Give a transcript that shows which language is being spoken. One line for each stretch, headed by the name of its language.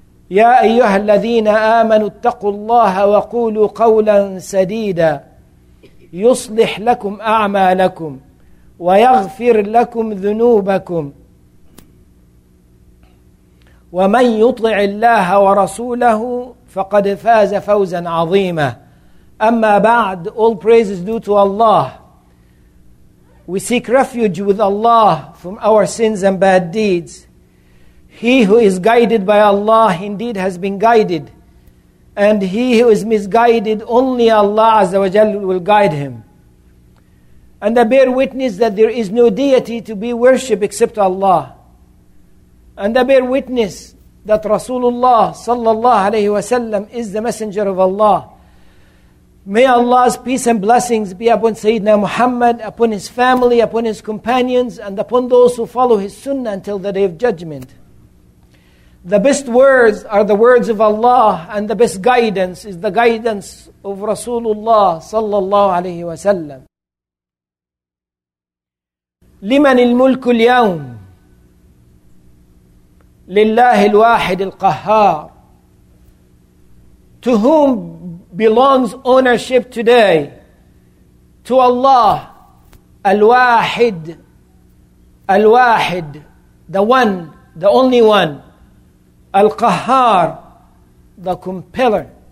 Arabic: يا أيها الذين آمنوا اتقوا الله وقولوا قولا سديدا يصلح لكم أعمالكم ويغفر لكم ذنوبكم، ومن يطع الله ورسوله فقد فاز فوزا عظيما. أما بعد،
English: all praises due to Allah. We seek refuge with Allah from our sins and bad deeds. He who is guided by Allah indeed has been guided, and he who is misguided, only Allah Azza wa Jalla will guide him. And I bear witness that there is no deity to be worshipped except Allah. And I bear witness that Rasulullah sallallahu alayhi wa sallam is the messenger of Allah. May Allah's peace and blessings be upon Sayyidina Muhammad, upon his family, upon his companions, and upon those who follow his sunnah until the day of judgment. The best words are the words of Allah, and the best guidance is the guidance of Rasulullah sallallahu alayhi wa sallam.
Arabic: لمن الملك اليوم لله الواحد القهار.
English: To whom belongs ownership today? To Allah, Al-Wahid, Al-Wahid, the one, the only one, Al-Qahhar, the compeller.